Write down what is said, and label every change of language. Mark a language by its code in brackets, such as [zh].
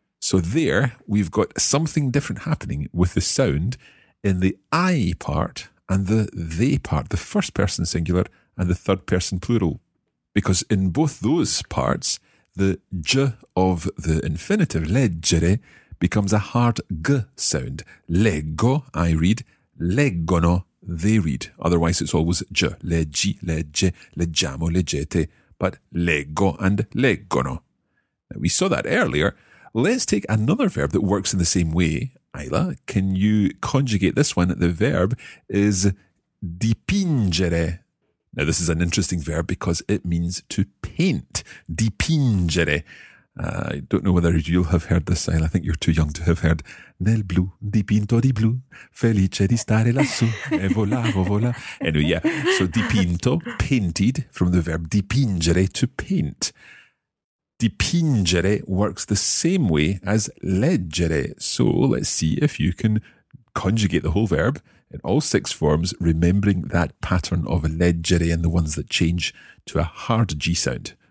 [en] So there we've got something different happening with the sound in the I part and the they part, the first person singular and the third person plural. Because in both those parts, the j of the infinitive, leggere, becomes a hard g sound. Leggo, I read. Leggono. They read. Otherwise, it's always G. [it] Leggi, legge, leggiamo, leggete. [en] But leggo and leggono. Now, we saw that earlier. Let's take another verb that works in the same way. Ayla, can you conjugate this one? The verb is dipingere. Now, this is an interesting verb because it means to paint. Dipingere. I don't know whether you'll have heard this, Ayla. I think you're too young to have heard. [it] Nel blu, dipinto di blu, felice di stare lassù, e volavo, vola. [en] Anyway, yeah. So dipinto, painted, from the verb dipingere, to paint. Dipingere works the same way as leggere. So let's see if you can conjugate the whole verb in all six forms, remembering that pattern of leggere and the ones that change to a hard G sound.